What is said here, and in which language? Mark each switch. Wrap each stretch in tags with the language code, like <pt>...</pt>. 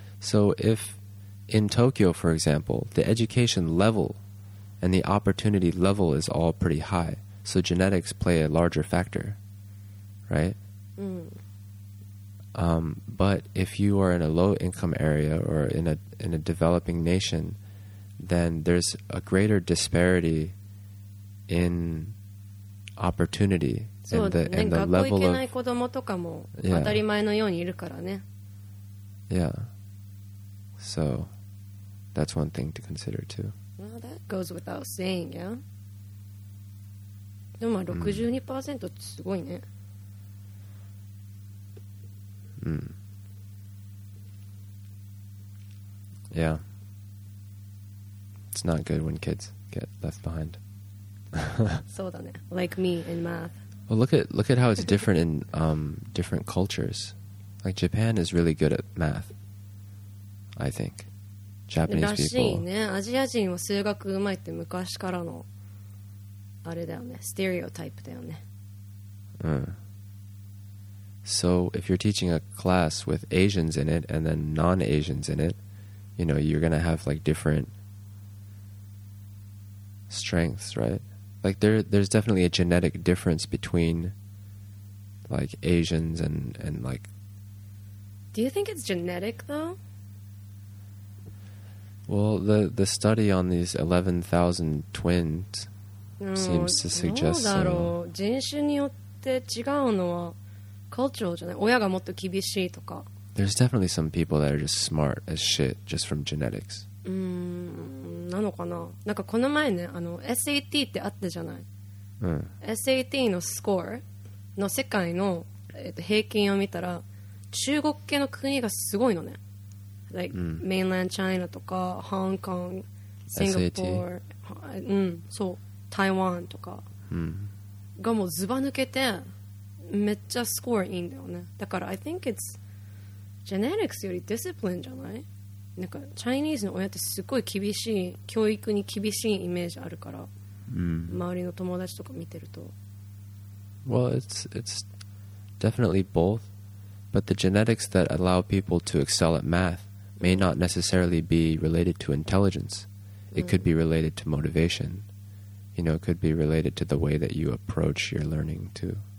<en>So if in Tokyo, for example, the education level and the opportunity level is all pretty high, so genetics play a larger factor, right? But if you are in a low-income area or in a developing nation, then there's a greater disparity in opportunity and the level</en> <ja>学校行けない子供とかも当たり前のようにいるからね。</ja> <en>Yeah. So, that's one thing to consider too. Well, that goes without saying, yeah?</en> <ja>でも 62% ってすごいね。</ja> <en>Yeah. It's not good when kids get left behind.</en> <ja>そうだね。</ja> <en>Like me in math. Well, look at how it's different in different cultures. Like Japan is really good at math, I think. Japanese people.</en> <ja>らしいね。アジア人は数学うまいって昔からのあれだよね。 Stereotype だよね。</ja> <en>So if you're teaching a class with Asians in it and then non-Asians in it, you know, you're going to have like different strengths, right? Like there's definitely a genetic difference between like Asians and like... Do you think it's genetic though? Well, the study on these 11,000 twins seems to suggest</en> <ja>so. 人種によって違うのは cultural じゃない。親がもっと厳しいとか。</ja> <en>There's definitely some people that are just smart as shit just from genetics.</en> <ja>なのかな。なんかこの前ね、あの SAT ってあったじゃない。SAT のスコアの世界の平均を見たら、中国系の国がすごいのね。 Like mainland China とか Hong Kong、Singapore、そう台湾とか、がもうズバ抜けて。めっちゃスコアいいんだよね。だから</ja> <en>I think it's genetics</en> <ja>よりディスプリンじゃない？なんかチャイニーズの親ってすごい厳しい、教育に厳しいイメージあるから、周りの友達とか見てると。</ja> <en>Well, it's definitely both, but the genetics that allow people to excel at math may not necessarily be related to intelligence. It could be related to motivation. You know, it could be related to the way that you approach your learning too.</en>